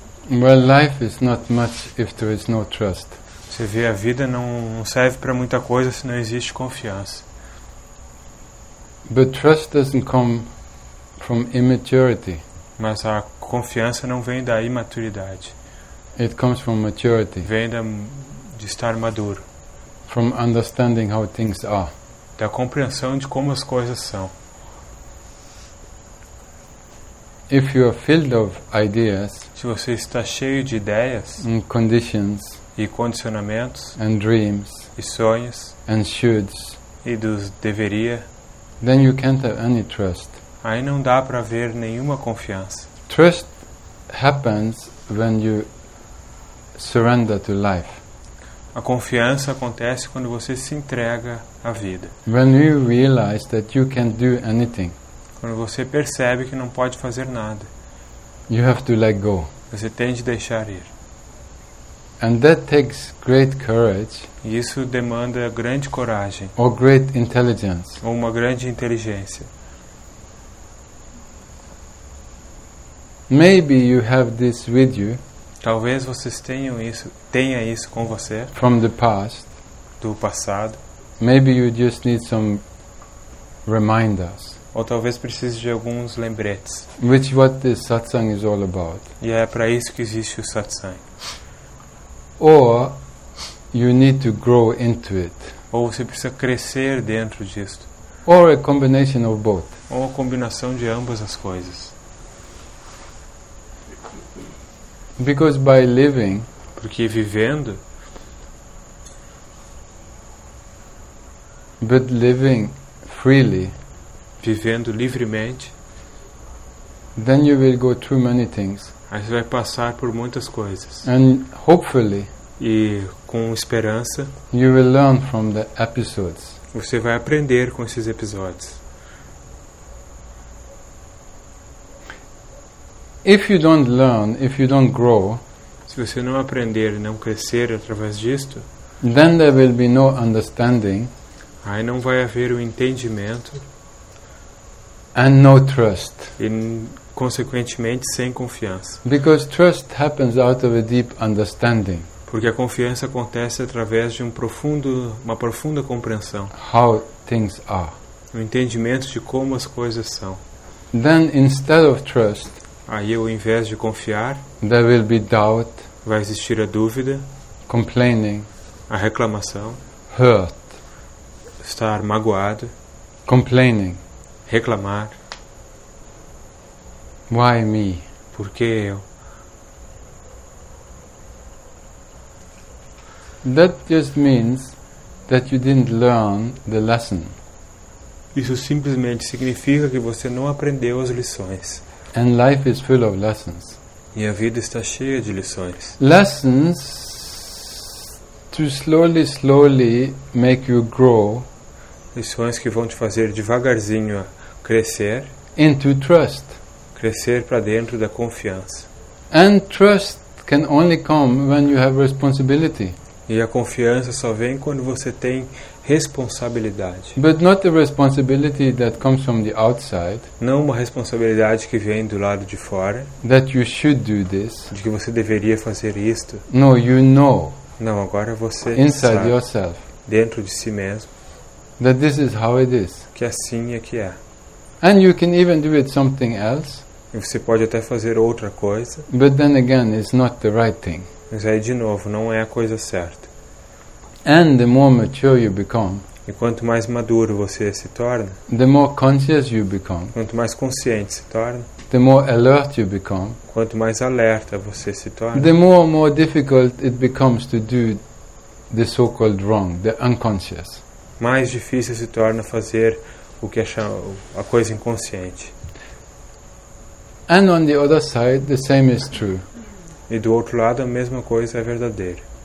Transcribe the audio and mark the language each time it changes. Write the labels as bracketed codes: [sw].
[en] Well, life is not much if there is no trust. [pt] Você vê, a vida não serve para muita coisa se não existe confiança. [en] But trust doesn't come from immaturity. [pt] Mas a confiança não vem da imaturidade. [en] It comes from maturity. [pt] Vem de estar maduro. [en] From understanding how things are. [pt] Da compreensão de como as coisas são. [en] If you are filled of ideas, [pt] se você está cheio de ideias, [en] and conditions, [pt] e condicionamentos, [en] and dreams, [pt] e sonhos, [en] and shoulds, [pt] e dos deveria, [en] then you can't have any trust. [pt] Aí não dá para haver nenhuma confiança. [en] Trust happens when you surrender to life. [pt] A confiança acontece quando você se entrega à vida. [en] When you realize that you can't do anything. [pt] Quando você percebe que não pode fazer nada. [en] You have to let go. [pt] Você tem de deixar ir. [en] And that takes great courage. [pt] E isso demanda grande coragem. [en] Or great intelligence. [pt] Ou uma grande inteligência. [en] Maybe you have this with you. [pt] Talvez vocês tenha isso com você. [en] From the past. [pt] Do passado. [en] Maybe you just need some reminders. [pt] Ou talvez precise de alguns lembretes. [en] Which is what the satsang is all about. [pt] E é para isso que existe o satsang. [en] Or you need to grow into it. [pt] Ou você precisa crescer dentro disto. [en] Or a combination of both. [pt] Ou uma combinação de ambas as coisas. [en] Because by living, [pt] porque vivendo, [en] but living freely, [pt] vivendo livremente, [en] then you will go through many things. [pt] Aí você vai passar por muitas coisas. [en] And hopefully, [pt] e com esperança, [en] you will learn from the episodes. [pt] Você vai aprender com esses episódios. [en] If you don't learn, if you don't grow, [pt] se você não aprender e não crescer através disto, [en] then there will be no understanding. [pt] Aí não vai haver o entendimento. [en] And no trust. [pt] E, consequentemente, sem confiança. [en] Because trust happens out of a deep understanding. [pt] Porque a confiança acontece através de uma profunda compreensão. [en] How things are. [pt] O entendimento de como as coisas são. [en] Then, instead of trust, [pt] aí, ao invés de confiar, [en] there will be doubt, [pt] vai existir a dúvida, [en] complaining, [pt] a reclamação, [en] hurt, [pt] estar magoado, [en] complaining, [pt] reclamar. [en] Why me? [pt] Por que eu? [en] That just means that you didn't learn the lesson. [pt] Isso simplesmente significa que você não aprendeu as lições. [en] And life is full of lessons. [pt] E a vida está cheia de lições. [en] Lessons to slowly, slowly make you grow. [pt] Lições que vão te fazer devagarzinho crescer. [en] Into trust. [pt] Crescer para dentro da confiança. [en] And trust can only come when you have responsibility. [pt] E a confiança só vem quando você tem responsabilidade. [en] But not the responsibility that comes from the outside. [pt] Não uma responsabilidade que vem do lado de fora. [en] That you should do this. [pt] De que você deveria fazer isto. [en] No, you know. [pt] Não, agora você [en] inside yourself. [pt] Dentro de si mesmo. [en] That this is how it is. [pt] Que assim é que é. [en] And you can even do it something else. [pt] E você pode até fazer outra coisa. [en] But then again, it's not the right thing. [pt] Mas aí, de novo, não é a coisa certa. [en] And the more mature you become, [pt] e quanto mais maduro você se torna, [en] the more conscious you become, [pt] quanto mais consciente se torna, [en] the more alert you become, [pt] quanto mais alerta você se torna, [en] the more difficult it becomes to do the so-called wrong, the unconscious. [pt] Mais difícil se torna fazer o que é a coisa inconsciente. [en] And on the other side, the same is true. [pt] E do outro lado, a mesma coisa é verdadeira.